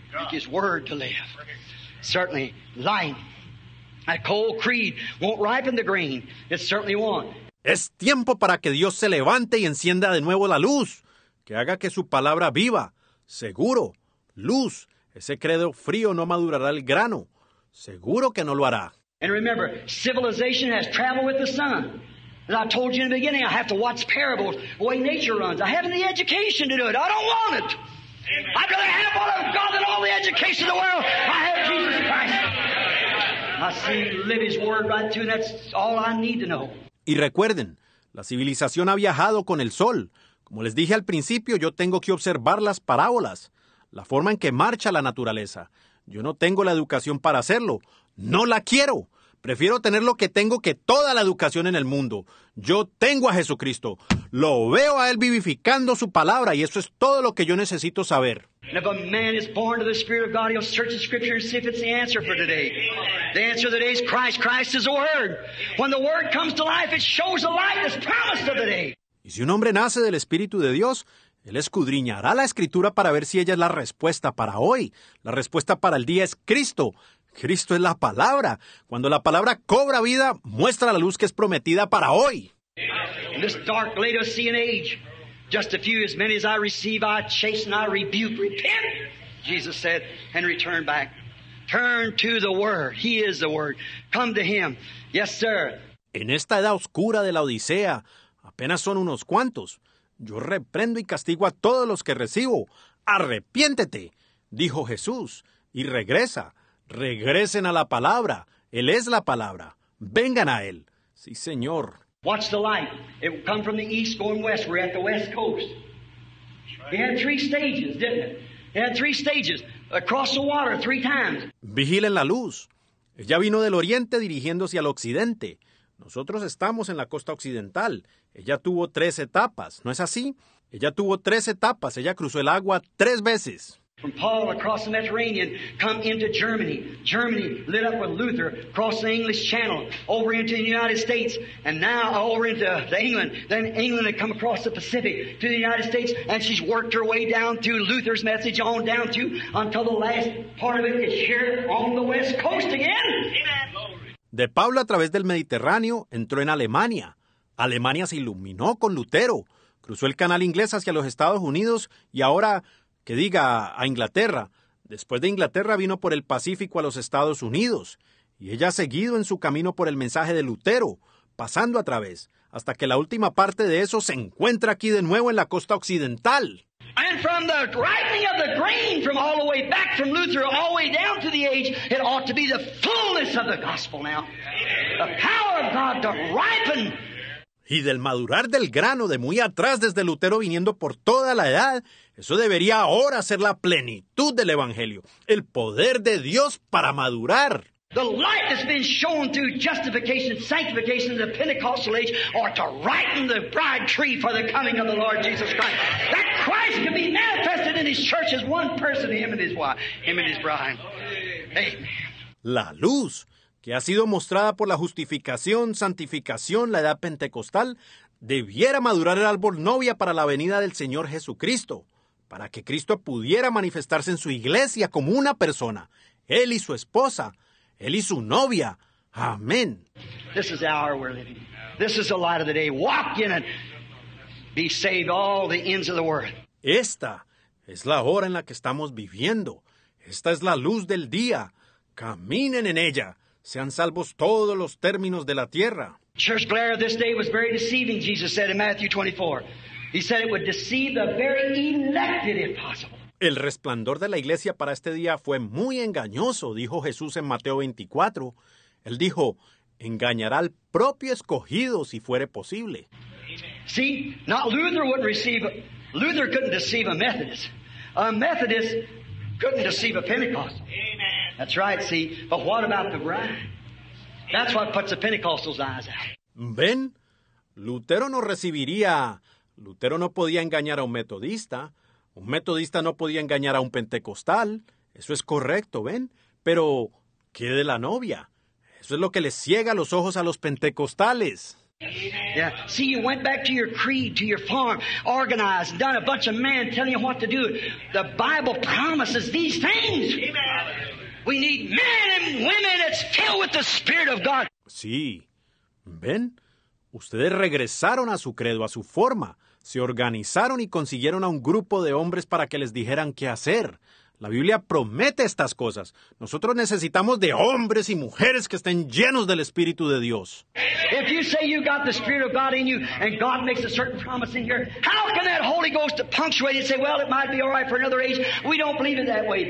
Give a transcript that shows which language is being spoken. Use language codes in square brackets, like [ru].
[en] His word to live. Certainly, light. A cold creed won't ripen the grain. It certainly won't. [es] Es tiempo para que Dios se levante y encienda de nuevo la luz, que haga que su palabra viva. Seguro, luz. Ese credo frío no madurará el grano. Seguro que no lo hará. [en] And remember, civilization has traveled with the sun. As I told you in the beginning, I have to watch parables the way nature runs. I haven't the education to do it. I don't want it. Amen. I'd rather have all of God than all the education in the world. I have Jesus Christ. I see live his word right through, and that's all I need to know. [es] Y recuerden, la civilización ha viajado con el sol. Como les dije al principio, yo tengo que observar las parábolas, la forma en que marcha la naturaleza. Yo no tengo la educación para hacerlo. No la quiero. Prefiero tener lo que tengo que toda la educación en el mundo. Yo tengo a Jesucristo. Lo veo a Él vivificando su palabra, y eso es todo lo que yo necesito saber. [en] And if a man is born to the Spirit of God, he'll search the Scripture and see if it's the answer for today. The answer of the day is Christ. Christ is the Word. When the Word comes to life, it shows the light that's promised of the day. [es] Y si un hombre nace del Espíritu de Dios, él escudriñará la Escritura para ver si ella es la respuesta para hoy. La respuesta para el día es Cristo. Cristo es la palabra. Cuando la palabra cobra vida, muestra la luz que es prometida para hoy. [en] In this dark Laodicean age, just a few, as many as I receive, I chasten, I rebuke. Repent, Jesus said, and return back. Turn to the Word. He is the Word. Come to Him. Yes, sir. [es] En esta edad oscura de la Odisea, apenas son unos cuantos. Yo reprendo y castigo a todos los que recibo. Arrepiéntete, dijo Jesús, y regresa. Regresen a la palabra. Él es la palabra. Vengan a Él. Sí, Señor. [en] Watch the light. It will come from the east going west. We're at the west coast. It had three stages, didn't it? It had three stages. Across the water three times. [es] Vigilen la luz. Ella vino del oriente dirigiéndose al occidente. Nosotros estamos en la costa occidental. Ella tuvo tres etapas, ¿no es así? Ella tuvo tres etapas. Ella cruzó el agua tres veces. [en] From Paul across the Mediterranean, come into Germany. Germany lit up with Luther, across the English Channel, over into the United States, and now over into England. Then England had come across the Pacific to the United States, and she's worked her way down to Luther's message on down to until the last part of it is here on the West Coast again. Amen. [es] De Pablo a través del Mediterráneo entró en Alemania. Alemania se iluminó con Lutero, cruzó el canal inglés hacia los Estados Unidos y ahora, que diga, a Inglaterra. Después de Inglaterra vino por el Pacífico a los Estados Unidos y ella ha seguido en su camino por el mensaje de Lutero, pasando a través, hasta que la última parte de eso se encuentra aquí de nuevo en la costa occidental. [en] And from the ripening of the grain from all the way back from Luther all the way down to the age, it ought to be the fullness of the gospel now. The power of God to ripen. [es] Y del madurar del grano de muy atrás desde Lutero viniendo por toda la edad, eso debería ahora ser la plenitud del Evangelio, el poder de Dios para madurar. [en] The light that's been shown through justification, sanctification in the Pentecostal age ought to ripen the bride tree for the coming of the Lord Jesus Christ. That Christ can be manifested in His church as one person, Him and His wife, Him and His bride. Amen. [es] La luz que ha sido mostrada por la justificación, santificación, la edad pentecostal, debiera madurar el árbol novia para la venida del Señor Jesucristo, para que Cristo pudiera manifestarse en su iglesia como una persona, Él y su esposa, Él y su novia. Amén. [en] This is the hour we're living. This is the light of the day. Walk in it. Be saved all the ends of the world. [es] Esta es la hora en la que estamos viviendo. Esta es la luz del día. Caminen en ella. Sean salvos todos los términos de la tierra. [en] Church glare of this day was very deceiving, Jesus said in Matthew 24. He said it would deceive the very elected if possible. [es] El resplandor de la iglesia para este día fue muy engañoso, dijo Jesús en Mateo 24. Él dijo, engañará al propio escogido si fuere posible. [en] See, not Luther wouldn't receive, Luther couldn't deceive a Methodist. A Methodist couldn't deceive a Pentecostal. Amen. That's right, see, but what about the bride? That's what puts the Pentecostal's eyes out. [es] Ben, Lutero no recibiría, Lutero no podía engañar a un metodista. Un metodista no podía engañar a un pentecostal. Eso es correcto, ¿ven? Pero, ¿qué de la novia? Eso es lo que les ciega los ojos a los pentecostales. [en] Yeah. See, you went back to your creed, to your farm, organized, done a bunch of men telling you what to do. The Bible promises these things. Amen. We need men and women that's filled with the Spirit of God. [es] Sí, ¿ven? Ustedes regresaron a su credo, a su forma. Se organizaron y consiguieron a un grupo de hombres para que les dijeran qué hacer. La Biblia promete estas cosas. Nosotros necesitamos de hombres y mujeres que estén llenos del Espíritu de Dios. [en] If you say you got the Spirit of God in you and God makes a certain promise in here, how can that Holy Ghost punctuate and say, well, it might be all right for another age? We don't believe it that way.